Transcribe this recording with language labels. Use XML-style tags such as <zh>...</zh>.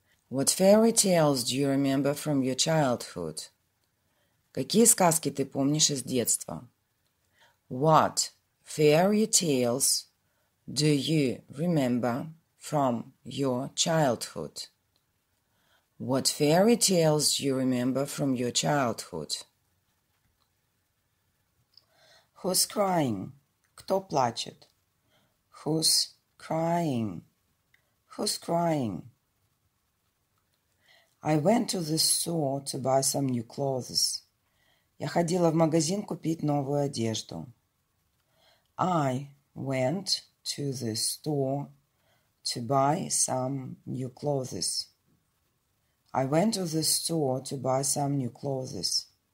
<en>What fairy tales do you remember from your childhood?</en> <ru>Какие сказки ты помнишь из детства?</ru> <en>What fairy tales do you remember from your childhood? What fairy tales do you remember from your childhood? Who's crying?</en> <ru>Кто плачет?</ru> <en>Who's crying? Who's crying? I went to the store to buy some new clothes.</en> <ru>Я ходила в магазин купить новую одежду.</ru> <en>I went to the store to buy some new clothes. I went to the store to buy some new clothes.</en>